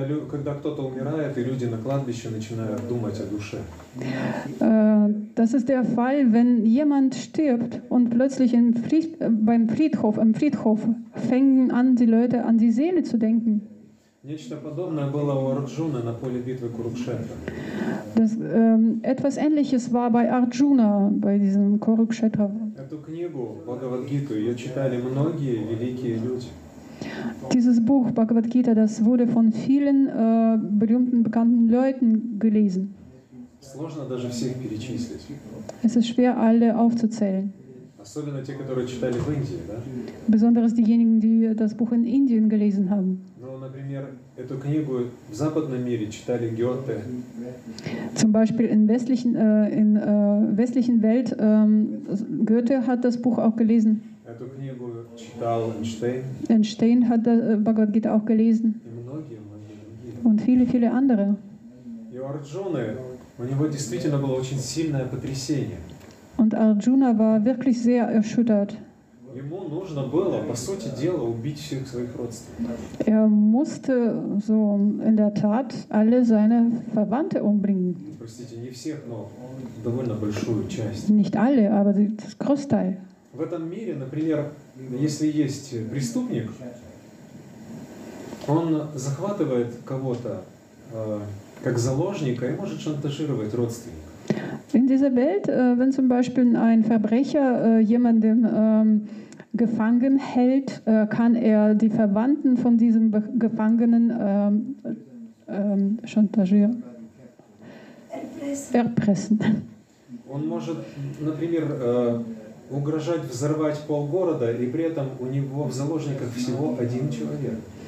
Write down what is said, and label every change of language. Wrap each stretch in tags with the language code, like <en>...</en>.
<ru>Когда кто-то умирает, и люди на кладбище начинают думать о душе.</ru> <de>Das ist der Fall, wenn jemand stirbt und plötzlich im Friedhof fangen an die Leute an die Seele zu denken.</de> <ru>Нечто подобное было у Арджуны на поле битвы Курукшетра.</ru> <de>Etwas Ähnliches war bei Arjuna bei diesem Kurukshetra.</de> <ru>Эту книгу Бхагавад-гиту ее читали многие великие люди.</ru> <de>Dieses Buch Bhagavad Gita, das wurde von vielen berühmten, bekannten Leuten gelesen.</de> <ru>Сложно даже всех перечислить.</ru> <de>Es ist schwer, alle aufzuzählen.</de> <ru>Особенно те, которые читали в Индии, да?</ru> <de>Besonders diejenigen, die das Buch in Indien gelesen haben.</de> <ru>Ну, например, эту книгу в западном мире читали Гёте.</ru> <de>Zum Beispiel in westlichen Welt Goethe hat das Buch auch gelesen.</de> <ru>Эту книгу читал Эйнштейн.</ru> <de>Эйнштейн hat Bhagavad Gita auch gelesen.</de> <ru>И многие, многие другие.</ru> <de>Und viele, viele andere.</de> <ru>И у Арджуны, у него действительно было очень сильное потрясение.</ru> <de>Und Arjuna war wirklich sehr erschüttert.</de> <ru>Ему нужно было, по сути дела, убить всех своих родственников.</ru> <de>Er musste so in der Tat alle seine Verwandte umbringen.</de> <ru>Простите, не всех, но довольно большую часть.</ru> <de>Nicht alle, aber das Großteil.</de> <ru>В этом мире, например, если есть преступник, он захватывает кого-то как заложника и может шантажировать родственника.</ru> <de>In dieser Welt, wenn zum Beispiel ein Verbrecher jemanden gefangen hält, kann er die Verwandten von diesem Gefangenen chantagieren, erpressen.</de> <ru>Он может, например, угрожать взорвать полгорода, и при этом у него в заложниках всего один человек.</ru>